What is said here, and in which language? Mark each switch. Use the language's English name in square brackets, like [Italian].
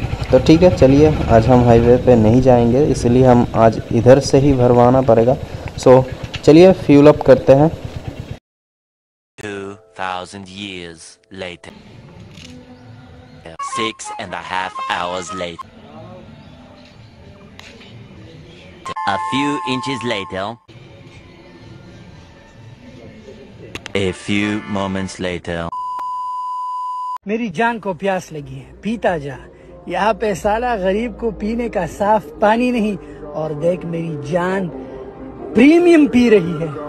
[Hindi] तो ठीक है, चलिए आज हम हाईवे पे नहीं जाएंगे, इसलिए हम आज इधर से ही भरवाना पड़ेगा। सो चलिए फ्यूल अप करते हैं। [English] 2,000 years later, 6.5 hours later, a few inches later, a few moments later, [Hindi] मेरी जान को प्यास लगी है, पीता जा। यहाँ पे साला गरीब को पीने का साफ पानी नहीं, और देख मेरी जान प्रीमियम पी रही है।